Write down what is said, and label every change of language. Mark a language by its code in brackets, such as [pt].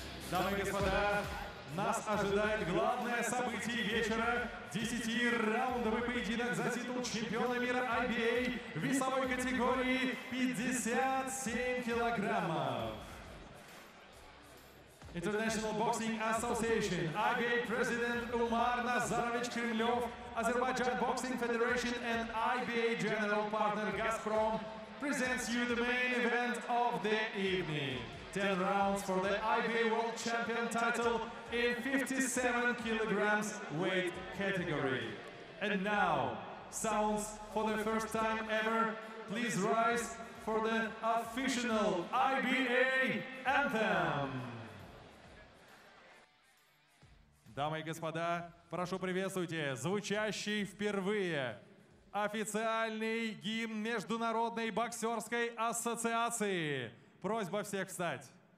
[ru] Дамы и господа, нас ожидает главное событие вечера. 10-раундовый поединок за титул чемпиона мира IBA в весовой категории 57 килограммов. [en] International Boxing Association, IBA President Umar Nazarovich Kremlev, Azerbaijan Boxing Federation and IBA General Partner Gazprom presents you the main event of the evening. 10 rounds for the IBA World Champion title in 57 kilograms weight category. And now, sounds for the first time ever, please rise for the official IBA anthem. [ru] Дамы и господа, прошу приветствуйте звучащий впервые официальный гимн Международной боксерской ассоциации. Просьба всех встать.